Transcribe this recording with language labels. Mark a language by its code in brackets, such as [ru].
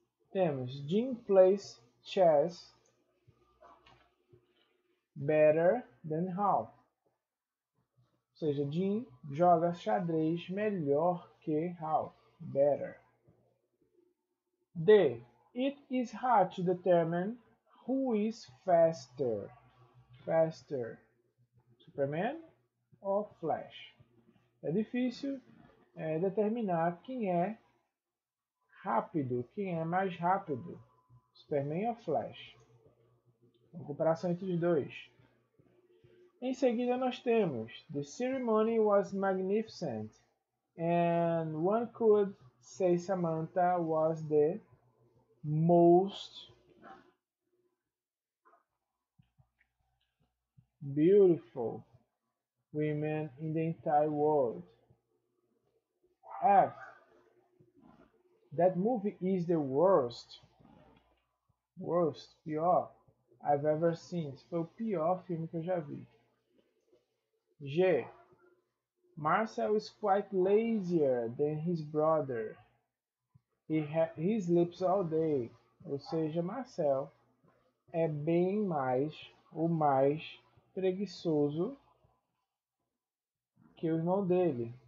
[pt] Temos [en] Jim plays chess better than Hal. [pt] Ou seja, Jim joga xadrez melhor que Hal. [en] Better. D. It is hard to determine who is faster. Faster. Superman or Flash? [pt] É difícil determinar quem é rápido, quem é mais rápido, Superman ou Flash? Uma comparação entre os dois. Em seguida nós temos, [en] the ceremony was magnificent, and one could say Samantha was the most beautiful woman in the entire world. F. That movie is the worst, [pt] pior [en] I've ever seen. [pt] Esse foi o pior filme que eu já vi. G. [en] Marcel is quite lazier than his brother. He sleeps all day. [pt] Ou seja, Marcel é bem mais ou mais preguiçoso que o irmão dele.